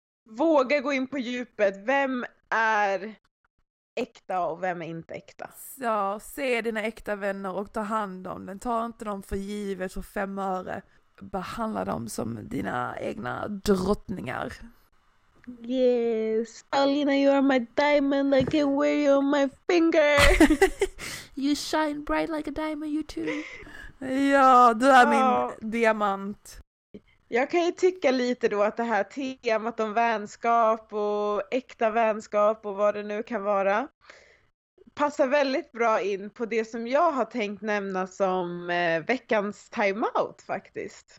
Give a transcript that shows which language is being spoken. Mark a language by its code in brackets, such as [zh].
[sv] Våga gå in på djupet. Vem är äkta och vem är inte äkta? Ja, se dina äkta vänner och ta hand om dem. Ta inte dem för givet för 5 öre. Behandla dem som dina egna drottningar. [en] Yes, Alina, you are my diamond. I can wear you on my finger. You shine bright like a diamond, you too. [sv] Ja, du är min diamant. Jag kan ju tycka lite då att det här temat om vänskap och äkta vänskap och vad det nu kan vara passar väldigt bra in på det som jag har tänkt nämna som veckans timeout faktiskt.